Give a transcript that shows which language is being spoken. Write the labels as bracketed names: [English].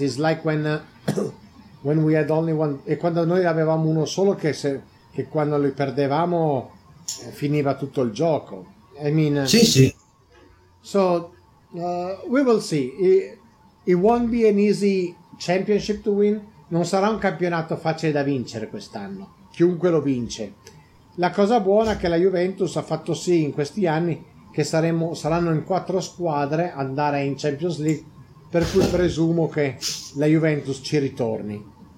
[English] It's like when we had only one. [Italian] E quando noi avevamo uno solo, che quando li perdevamo finiva tutto il gioco. [English] I mean, [Italian] sì, sì. [English] So. We will see. It won't be an easy championship to win. [Italian] Non sarà un campionato facile da vincere quest'anno. Chiunque lo vince. La cosa buona è che la Juventus ha fatto sì in questi anni che saranno in quattro squadre andare in Champions League, per cui presumo che la Juventus ci ritorni.